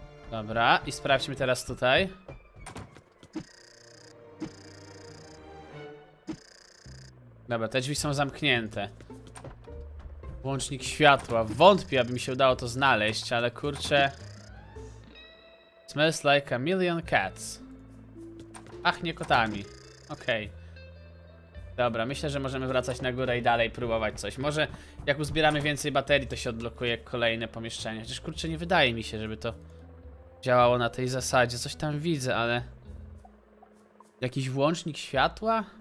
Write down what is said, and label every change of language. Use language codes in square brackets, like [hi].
[pl] Dobra, i sprawdźmy teraz tutaj. Dobra, te drzwi są zamknięte. Włącznik światła. Wątpię, aby mi się udało to znaleźć, ale kurczę. [en] Smells like a million cats. [pl] Ach, nie kotami. Okej. Dobra, myślę, że możemy wracać na górę i dalej próbować coś. Może jak uzbieramy więcej baterii, to się odblokuje kolejne pomieszczenie. Chociaż kurczę, nie wydaje mi się, żeby to działało na tej zasadzie. Coś tam widzę, ale... Jakiś włącznik światła?